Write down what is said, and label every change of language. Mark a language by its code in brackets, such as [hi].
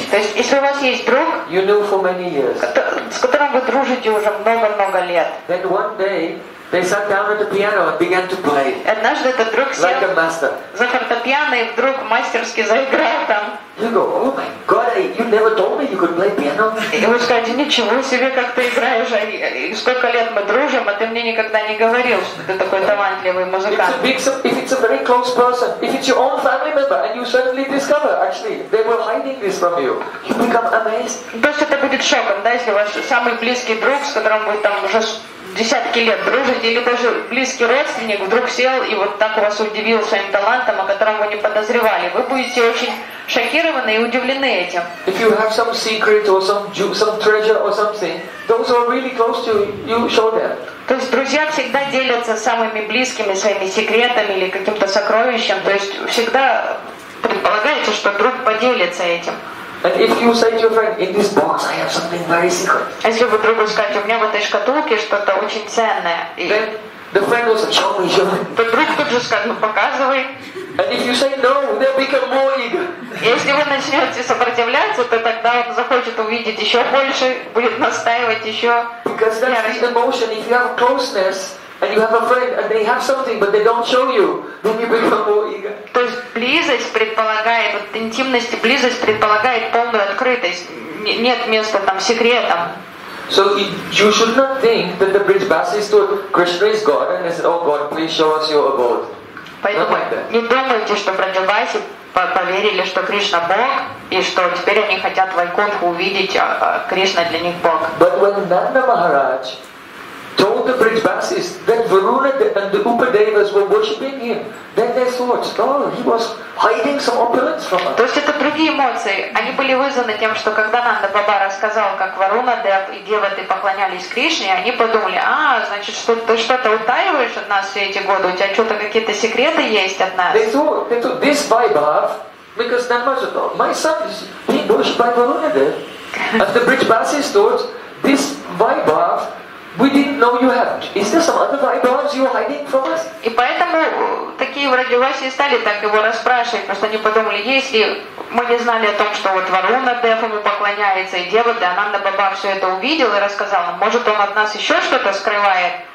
[ru] то есть если у вас есть друг, [en] you knew for many years, [ru] с которым вы дружите уже много-много лет, [en] then one day they sat down at the piano and began to play. [ru] Однажды этот друг сел [en] like a master. [ru] За фортепиано и вдруг мастерски заиграл там. [en] You go, oh my God, you never told me you could play piano. [ru] И вы скажете, ничего себе, как ты играешь, и сколько лет мы дружим, а ты мне никогда не говорил, что ты такой талантливый музыкант. [en] If it's a very close person, if it's your own family member, and you suddenly discover, actually, they were hiding this from you, you become amazed. [ru] То есть это будет шоком, да, если ваш самый близкий друг, с которым вы там уже десятки лет дружить, или даже близкий родственник вдруг сел и вот так вас удивил своим талантом, о котором вы не подозревали. Вы будете очень шокированы и удивлены этим. [en] If you have some secret or some treasure or something, those who are really close to you, you show them. [ru] То есть друзья всегда делятся самыми близкими своими секретами или каким-то сокровищем. То есть всегда предполагается, что друг поделится этим. [en] And if you say to your friend, in this box I have something very secret. [ru] Если вы другу скажете, у меня в этой шкатулке что-то очень ценное. [en] Then the friend will say, show me, show me. [ru] То друг тут же скажет, ну показывай. [en] And if you say no, they'll become more eager. [ru] Если вы начнете сопротивляться, то тогда он захочет увидеть еще больше, будет настаивать еще. [en] Because that's the emotion. If you have closeness and you have a friend and they have something but they don't show you, then you become more eager. [ru] То есть близость предполагает, вот интимность и близость предполагает полную открытость. Нет места там секретам. [en] So you should not think that the Brijvasis to Krishna is God and they said, oh God, please show us your abode. [ru] Поэтому не думайте, что Брадхабаси поверили, что Кришна Бог, и что теперь они хотят Вайкунтху увидеть, а Кришна для них Бог. [en] But when Нанда Махарадж told the bridge buses that Varuna and the Upadevas were worshipping him. Then they thought, oh, he was hiding some opulence from us. [ru] То есть это другие эмоции. Они были вызваны тем, что когда Нанда Баба рассказал, как Варуна Дев и Деваты поклонялись Кришне, они подумали, а, значит, что ты что-то утаиваешь от нас все эти годы, у тебя что-то какие-то секреты есть от нас. [en] They thought this Vaibhav, because then my son is being worshipped by Varuna Dev. And the bridge buses thought, this Vaibhav, we didn't know you have. Is there some other Vaibhavs you are hiding from us? [ru] И поэтому такие вроде Васи стали так его расспрашивать, потому что они подумали, если мы не знали о том, что вот Варуна Дев ему поклоняется, и Девада, Ананда Баба все это увидел и рассказал, может он от нас еще что-то скрывает?